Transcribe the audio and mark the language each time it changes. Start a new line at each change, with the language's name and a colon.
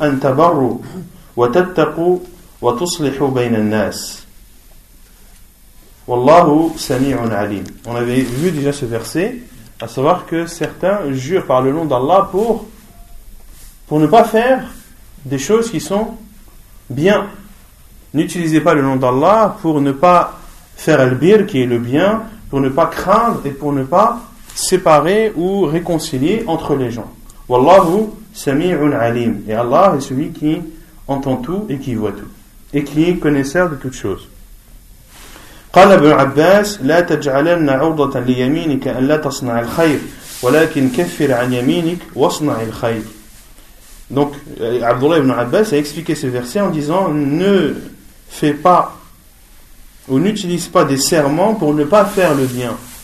Arabic: أن تبروا وتتقوا وتصلحوا بين الناس. Wallahu sami'un alim.
French: On avait vu déjà ce verset, à savoir que certains jurent par le nom d'Allah pour ne pas faire des choses qui sont bien. N'utilisez pas le nom d'Allah pour ne pas faire al-bir, qui est le bien, pour ne pas craindre et pour ne pas séparer ou réconcilier entre les gens.
Arabic: Wallahu sami'un alim.
French: Et Allah est celui qui entend tout et qui voit tout, et qui est connaisseur de toutes choses.
Arabic: قال ابن عباس لا تجعلن عرضة ليمينك أن لا تصنع الخير ولكن كفر عن يمينك واصنع الخير.
French: Donc Abdullah ibn Abbas a expliqué ce verset en disant ne fais pas ou n'utilise pas des serments pour ne pas faire le bien,